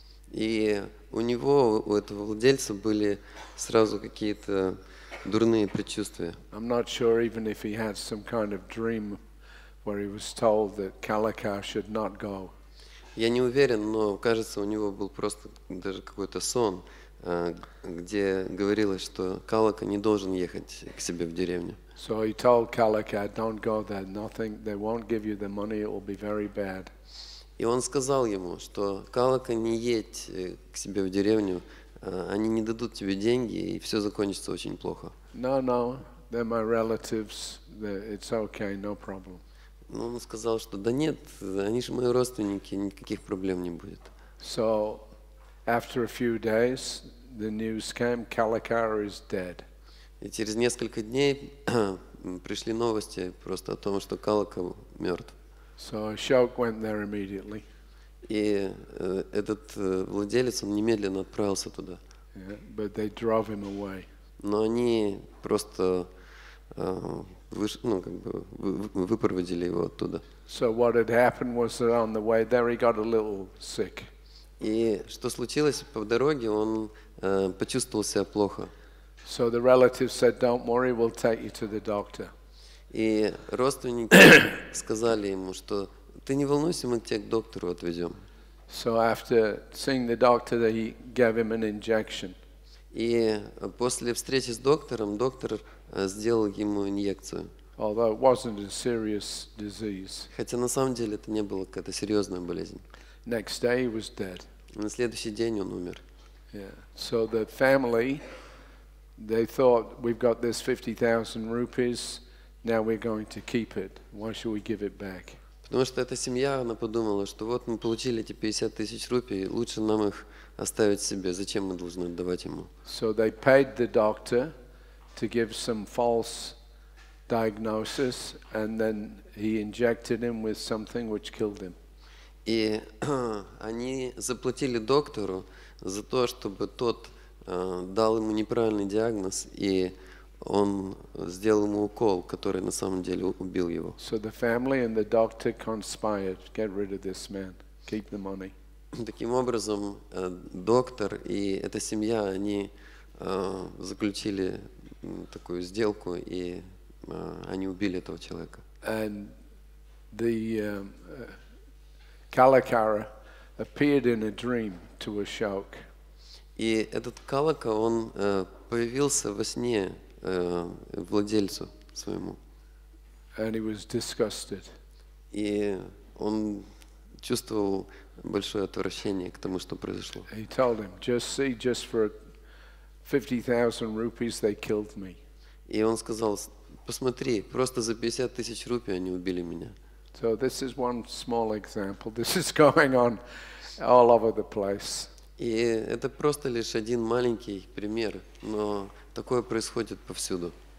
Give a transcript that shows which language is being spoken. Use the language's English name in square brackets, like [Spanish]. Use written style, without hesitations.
[Russian] И у него, у этого владельца были сразу какие-то дурные предчувствия. [English] I'm not sure even if he had some kind of dream where he was told that Kalika should not go. [Russian] Я не уверен, но кажется, у него был просто даже какой-то сон, где говорилось, что Калика не должен ехать к себе в деревню. [English] So he told Kalika, don't go there, nothing, they won't give you the money, it will be very bad. [Russian] И он сказал ему, что Калика, не едь к себе в деревню, они не дадут тебе деньги, и все закончится очень плохо. [English] No, they're my relatives, it's okay, no problem. [Russian] Но он сказал, что да нет, они же мои родственники, никаких проблем не будет. [English] So, after a few days, the news came, Kalika is dead. [Russian] И через несколько дней пришли новости просто о том, что Калика мертв. [English] So Ashok went there immediately. [Russian] И этот владелец, он немедленно отправился туда. [English] Yeah, but they drove him away. [Russian] Но они просто выпроводили его оттуда. [English] So what had happened was that on the way there he got a little sick. [Russian] И что случилось по дороге, он почувствовал себя плохо. [English] So the relative said, "Don't worry, we'll take you to the doctor." [Russian] И родственники сказали ему, что ты не волнуйся, мы тебя к доктору отвезем. [English] So after seeing the doctor, he gave him an injection. [Russian] И после встречи с доктором, доктор сделал ему инъекцию. [English] Although it wasn't a serious disease. [Russian] Хотя на самом деле это не была какая-то серьезная болезнь. [English] Next day he was dead. [Russian] На следующий день он умер. [English] Yeah. So the family, they thought, we've got this 50,000 rupees. Now we're going to keep it. Why should we give it back? [Russian] Потому что эта семья, она подумала, что вот мы получили эти 50 тысяч рупий, лучше нам их оставить себе. Зачем мы должны отдавать ему? [English] So they paid the doctor to give some false diagnosis, and then he injected him with something which killed him. [Russian] И они заплатили доктору за то, чтобы тот дал ему неправильный диагноз, и он сделал ему укол, который на самом деле убил его. [English] So the family and the doctor conspired, get rid of this man, keep the money. [Russian] Таким образом, доктор и эта семья, они заключили такую сделку, и они убили этого человека. [English] And the Kalakara appeared in a dream to Ashok. [Russian] И этот Калака, он появился во сне владельцу своему. [English] And he was disgusted. [Russian] И он чувствовал большое отвращение к тому, что произошло. [English] He told him, just see, just for 50,000 rupees they killed me. [Russian] И он сказал, посмотри, просто за 50 тысяч рупий они убили меня. [English] So this is one small example. This is going on all over the place. [Russian] И это просто лишь один маленький пример, но такое происходит повсюду.